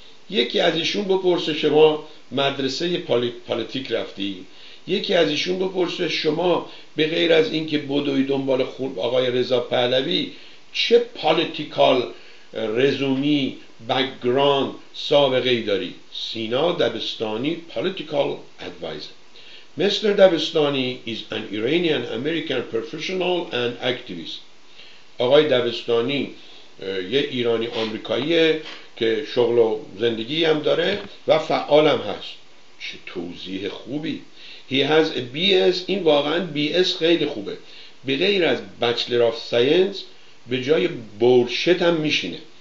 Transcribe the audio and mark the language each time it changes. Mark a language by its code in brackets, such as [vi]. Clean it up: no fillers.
[fa] یکی از ایشون بپرسه شما مدرسه پالیتیک رفتی، یکی از ایشون بپرسه شما به غیر از اینکه بدوی دنبال خون آقای رضا پهلوی چه پالیتیکال رزومی بک‌گراند سابقه ای داری؟ سینا دبستانی پالیتیکال ادوایزر. [en] Mr. Dabistani is an Iranian American professional and activist. [fa] آقای دبستانی یه ایرانی آمریکاییه که شغل و زندگی هم داره و فعال هم هست. چه توضیح خوبی. [en] He has a BS. [fa] این واقعا BS خیلی خوبه. به غیر از Bachelor of Science به جای بورشت هم میشینه.